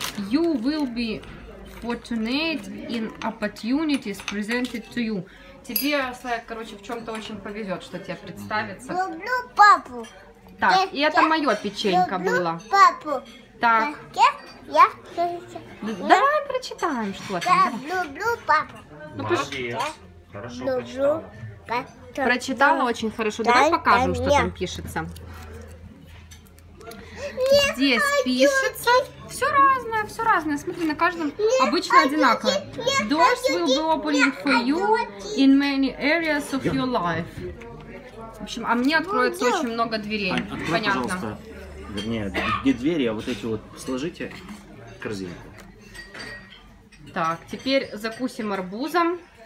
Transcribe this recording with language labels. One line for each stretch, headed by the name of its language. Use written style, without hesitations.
English: You will be fortunate in opportunities presented to you.
Russian: Тебе, Слайк, короче, в чем-то очень повезет, что тебе представится. Люблю папу. Так, и это мое печенька было. Папу. Так. Я. Давай прочитаем, что там. Я люблю папу. Ну, молодец. Хорошо прочитала. Прочитала очень хорошо. Давай покажем, что там пишется. Здесь пишется. Все разное, смотри, на каждом обычно одинаково.
English: Doors will be opening for you in many areas of your life.
Russian: В общем, а мне откроется очень много дверей. Ань, открой, пожалуйста, вернее, не двери, а вот эти вот сложите корзинку. Так, теперь закусим арбузом.